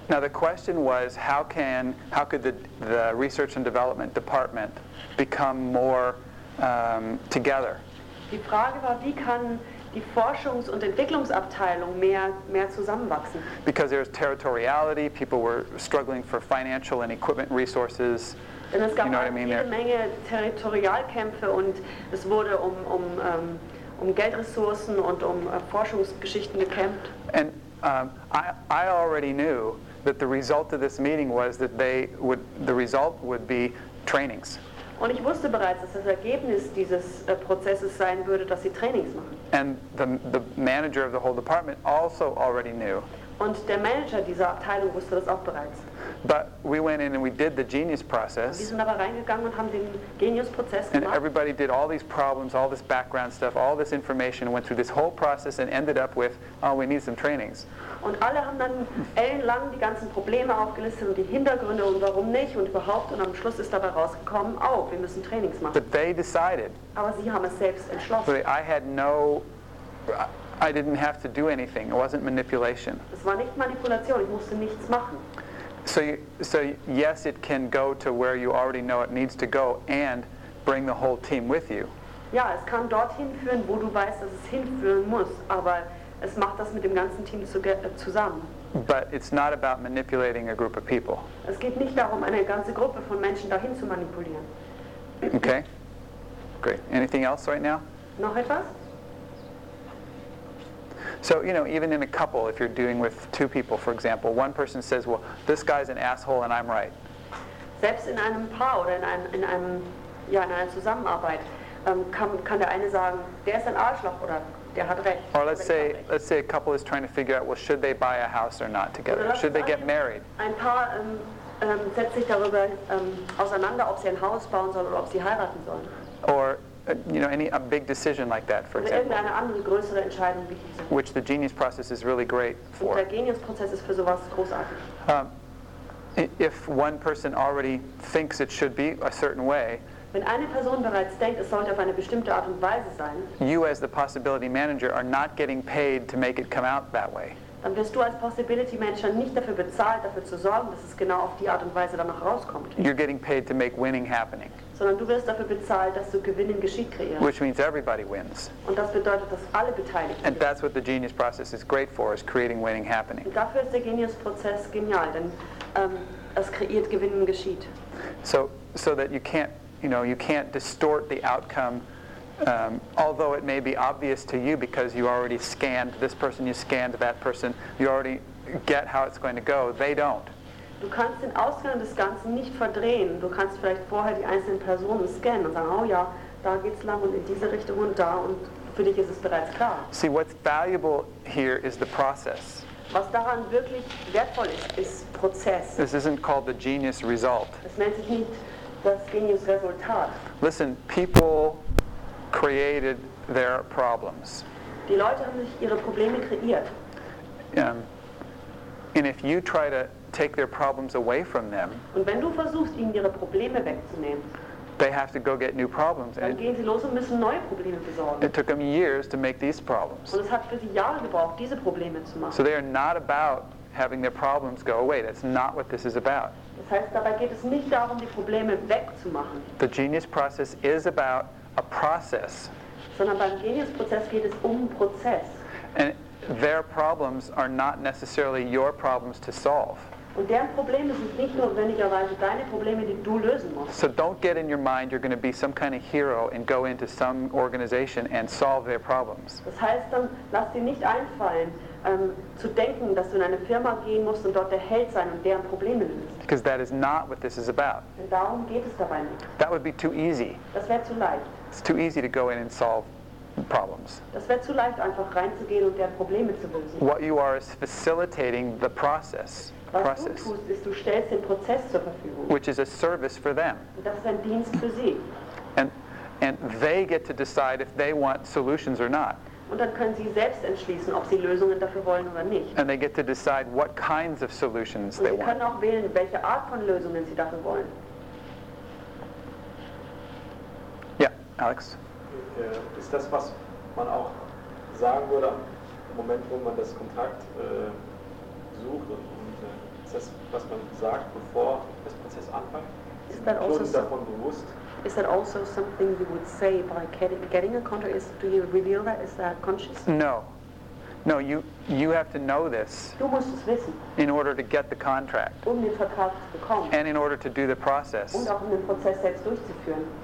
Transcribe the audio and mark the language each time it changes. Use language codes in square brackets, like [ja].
[en] Now the question was, how could the research and development department become more together? [de] Die Frage war, wie kann die Forschungs- und Entwicklungsabteilung mehr zusammenwachsen? [en] Because there was territoriality, people were struggling for financial and equipment resources. [de] Denn es gab jede Menge Territorialkämpfe und es wurde um Geldressourcen und um Forschungsgeschichten gekämpft. [en] And I already knew that the result of this meeting was that the result would be trainings. [de] Und ich wusste bereits, dass das Ergebnis dieses Prozesses sein würde, dass sie Trainings machen. [en] And the manager of the whole department also already knew. [de] Und der Manager dieser Abteilung wusste das auch bereits. [en] But we went in and we did the genius process. [de] Wir sind aber reingegangen und haben den Genius-Prozess gemacht. [en] And everybody did all these problems, all this background stuff, all this information, went through this whole process and ended up with, oh, we need some trainings. [de] Und alle haben dann ellenlang die ganzen Probleme aufgelistet und die Hintergründe und warum nicht und überhaupt, und am Schluss ist dabei rausgekommen, oh, wir müssen Trainings machen. [en] But they decided. [de] Aber sie haben es selbst entschlossen. [en] So I had no... I didn't have to do anything. It wasn't manipulation. [de] Es war nicht Manipulation. Ich musste nichts machen. [en] So yes, it can go to where you already know it needs to go and bring the whole team with you. [de] Ja, es kann dorthin führen, wo du weißt, dass es hinführen muss, aber es macht das mit dem ganzen Team zusammen. [en] But it's not about manipulating a group of people. [de] Es geht nicht darum, eine ganze Gruppe von Menschen dahin zu manipulieren. [en] Okay. Great. Anything else right now? [de] Noch etwas? [en] So, you know, even in a couple, if you're doing with two people, for example, one person says, well, this guy's an asshole and I'm right. [de] Selbst in einem Paar oder in einer Zusammenarbeit kann der eine sagen, der ist ein Arschloch oder der hat recht. [en] Or let's say a couple is trying to figure out, well, should they buy a house or not together? Should they get married? [de] Ein Paar setzt sich darüber auseinander, ob sie ein Haus bauen sollen oder ob sie heiraten sollen. [en] Or, you know, a big decision like that, for example. [de] Irgendeine andere größere Entscheidung wie diese. [en] Which the genius process is really great for. [de] Der Genius-Prozess ist für sowas großartig. [en] If one person already thinks it should be a certain way, [de] wenn eine Person bereits denkt, es sollte auf eine bestimmte Art und Weise sein, [en] you as the possibility manager are not getting paid to make it come out that way. [de] Dann wirst du als possibility manager nicht dafür bezahlt, dafür zu sorgen, dass es genau auf die Art und Weise danach rauskommt. [en] You're getting paid to make winning happening. [de] Sondern du wirst dafür bezahlt, dass du Gewinn im Geschick kreierst. [en] Which means everybody wins. [de] Und das bedeutet, dass alle beteiligt sind. [en] And that's what the genius process is great for, is creating winning happening. [de] Und dafür ist der Genius-Prozess genial, denn es kreiert Gewinn im Geschick. [en] So that you can't, you know, you can't distort the outcome, although it may be obvious to you because you already scanned this person, you scanned that person, you already get how it's going to go. They don't. [de] Du kannst den Ausgang des Ganzen nicht verdrehen. Du kannst vielleicht vorher die einzelnen Personen scannen und sagen, oh ja, da geht's lang und in diese Richtung und da, und für dich ist es bereits klar. [en] See, what's valuable here is the process. [de] Was daran wirklich wertvoll ist, ist Prozess. [en] This isn't called the genius result. [de] Es nennt sich nicht das Genius-Resultat. [en] Listen, people created their problems. [de] Die Leute haben sich ihre Probleme kreiert. [en] And if you try to take their problems away from them. [de] Und wenn du versuchst, ihnen ihre Probleme wegzunehmen, [en] they have to go get new problems. [de] Dann gehen sie los und müssen neue Probleme besorgen. [en] It took them years to make these problems. [de] Und es hat für sie Jahre gebraucht, diese Probleme zu machen. [en] So they are not about having their problems go away. That's not what this is about. [de] Das heißt, dabei geht es nicht darum, die Probleme wegzumachen. [en] The genius process is about a process. [de] Sondern beim Genius-Prozess geht es um einen Prozess. [en] And their problems are not necessarily your problems to solve. [de] Und deren Probleme sind nicht notwendigerweise deine Probleme, die du lösen musst. [en] So don't get in your mind you're going to be some kind of hero and go into some organization and solve their problems. [de] Das heißt, dann lass dir nicht einfallen, zu denken, dass du in eine Firma gehen musst und dort der Held sein und deren Probleme lösen. [en] Because that is not what this is about. [de] Denn darum geht es dabei nicht. [en] That would be too easy. [de] Das wäre zu leicht. [en] It's too easy to go in and solve problems. [de] Das wäre zu leicht, einfach reinzugehen und deren Probleme zu lösen. [en] What you are is facilitating the process. [de] Was du tust, ist, du stellst den Prozess zur Verfügung. [en] Which is a service for them. [de] Und das ist ein Dienst für sie. [en] And they get to decide if they want solutions or not. [de] Und dann können Sie selbst entschließen, ob Sie Lösungen dafür wollen oder nicht. [en] And they get to decide what kinds of solutions they want. [de] Sie können auch wählen, welche Art von Lösungen Sie dafür wollen. Ja, Alex. Ist das, was man auch sagen würde, im Moment, wo man das Kontakt sucht, ist das, was man sagt, bevor das Prozess anfängt? Ist man schon davon bewusst? [en] Is that also something you would say by getting a contract? Do you reveal that? Is that conscious? No. No, you have to know this. [de] Du musst es wissen. [en] In order to get the contract. [de] Um den Vertrag zu bekommen. [en] And in order to do the process. [de] Und auch um den Prozess selbst durchzuführen.